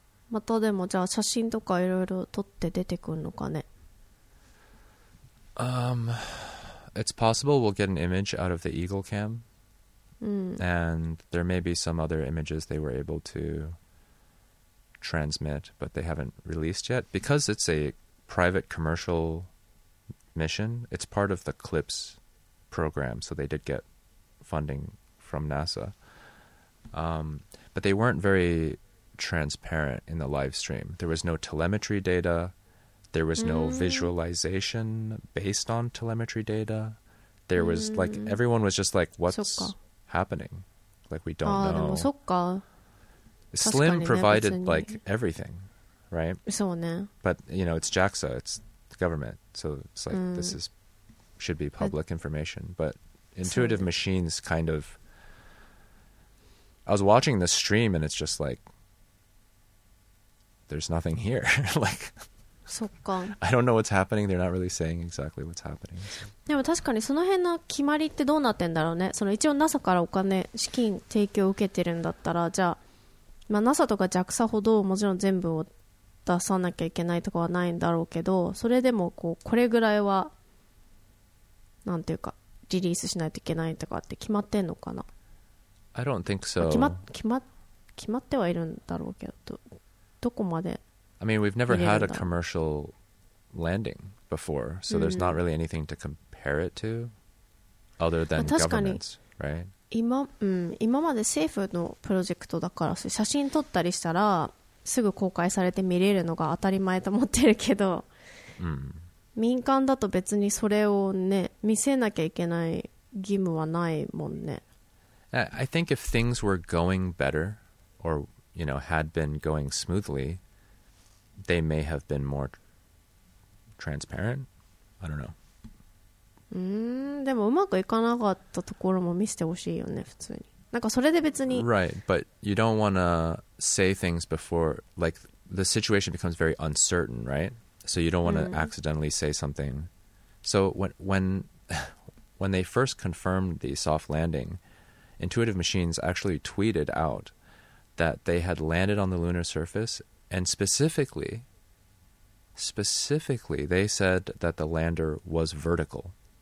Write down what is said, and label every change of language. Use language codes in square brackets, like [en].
[ja] またでもじゃあ写真とかいろいろ撮って出てくるのかね。 [en] It's possible we'll get an image out of the Eagle Cam. And there may be some other images they were able to transmit, but they haven't released yet. Because it's a private commercial mission, it's part of the CLIPS program, so they did get funding from NASA. But they weren't very transparent in the live stream. There was no telemetry data. There was no visualization based on telemetry data. There was like, everyone was just like, what's happening? Like, we don't know. [ja] でもそっか。 [en] Slim provided like everything, right? [ja] そうね。 [en] But you know, it's JAXA, it's the government. So it's like, this is, should be public information, but Intuitive Machines kind of, I was watching the stream and it's just like, there's nothing here. Like, [ja] そっか。 [en] I don't know what's happening. They're not really saying exactly what's happening. [ja] でも確かにその辺の決まりってどうなってんだろうね。その一応 NASA からお金、資金提供を受けてるんだったら、じゃあ、まあ、NASA とか JAXA ほどもちろん全部を出さなきゃいけないとかはないんだろうけど、それでもこう、これぐらいは、なんていうか、リリースしないといけないとかって決まってんのかな。 [en] I don't think so. [ja] 決まってはいるんだろうけど、どこまで。 [en] I mean, we've never had a commercial landing before, so there's not really anything to compare it to, other than governments, right? [ja] 今まで政府のプロジェクトだから、写真撮ったりしたらすぐ公開されて見れるのが当たり前と思ってるけど、民間だと別にそれをね、見せなきゃいけない義務はないもんね。 [en] I think if things were going better or, you know, had been going smoothly, they may have been more transparent. I don't know. [ja] でもうまくいかなかったところも見せてほしいよね、普通に。なんかそれで別に。 [en] Right, but you don't want to say things before, like, the situation becomes very uncertain, right? So you don't want to accidentally say something. So when When they first confirmed the soft landing, Intuitive Machines actually tweeted out that they had landed on the lunar surface, and specifically, they said that the lander was vertical.